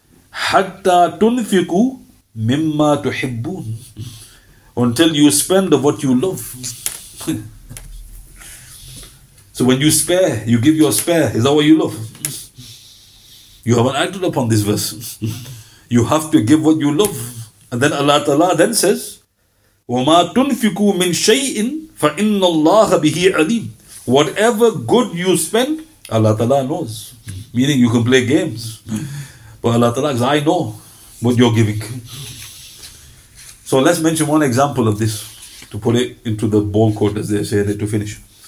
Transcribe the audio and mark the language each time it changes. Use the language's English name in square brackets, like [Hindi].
[Arabic] Hatta tunfiku mimma tuhibbun. [English] Until you spend of what you love. So when you spare, you give your spare. Is that what you love? You haven't acted upon this verse. You have to give what you love. And then Allah Ta'ala then says, [Arabic] وَمَا تُنْفِقُوا مِنْ شَيْءٍ فَإِنَّ اللَّهَ بِهِ عَلِيمٌ. [English] Whatever good you spend, Allah Ta'ala knows. Meaning you can play games. But Allah Ta'ala says, I know what you're giving. So let's mention one example of this, to put it into the ball court, as they say, to finish.